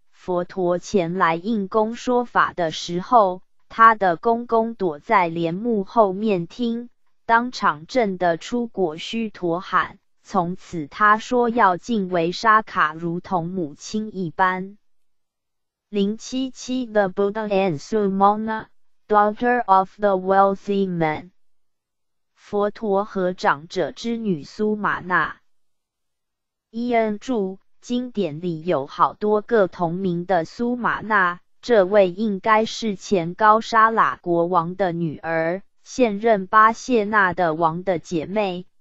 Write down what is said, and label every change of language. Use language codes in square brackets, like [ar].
[zh] 佛陀前来应供说法的时候，他的公公躲在帘幕后面听，当场震得出果须陀喊，从此他说要敬维沙卡如同母亲一般。 [en] 077 The Buddha and Sumana, daughter of the wealthy man. [zh] 佛陀和长者之女苏玛纳。伊恩著，经典里有好多个同名的苏玛纳，这位应该是前高沙喇国王的女儿，现任巴谢纳的王的姐妹。